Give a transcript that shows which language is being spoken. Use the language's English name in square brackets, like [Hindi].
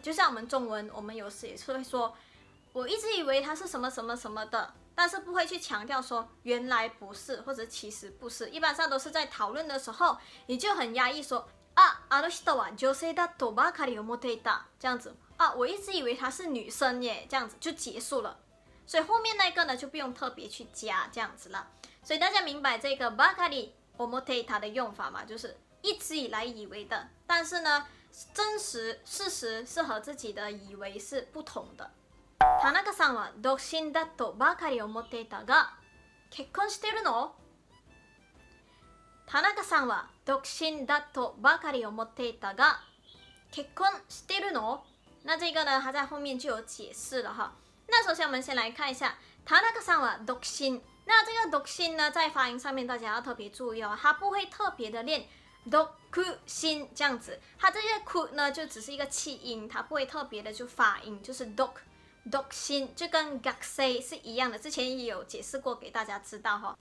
[Chinese] 就像我们中文，我们有时也是会说我一直以为他是什么什么什么的，但是不会去强调说原来不是或者其实不是。一般上都是在讨论的时候你就很压抑说啊， [Japanese] あの人は女性だとばかり思っていた， [Chinese] 这样子啊，我一直以为她是女生耶，这样子就结束了。所以后面那个呢，就不用特别去加这样子了。所以大家明白这个ばかり思っていた的用法吗？就是一直以来以为的，但是呢，真实事实是和自己的以为是不同的。 [Japanese] 田中さんは独身だとばかり思っていたが、結婚してるの？田中さんは独身だとばかり思っていたが、結婚してるの？ [Chinese] 那这个呢，他在后面就有解释了哈。那首先我们先来看一下， [Japanese] 田中さんは独身。 [Chinese] 那这个独身呢，在发音上面大家要特别注意哦，他不会特别的念独身这样子，他这个哭呢就只是一个气音，他不会特别的就发音，就是独身，就跟学生是一样的，之前也有解释过给大家知道哈。